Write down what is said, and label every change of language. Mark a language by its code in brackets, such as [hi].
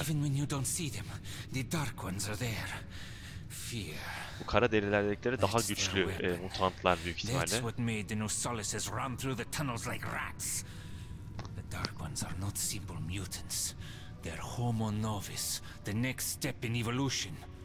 [en] Even when you don't see them, the dark ones are there. Fear. [tr] Bu kara deliler dedikleri daha güçlü mutantlar büyük ihtimalle. [en] That's what made the Nosalises run through the tunnels like rats. The dark ones are not simple mutants. They're Homo novus, the next step in evolution.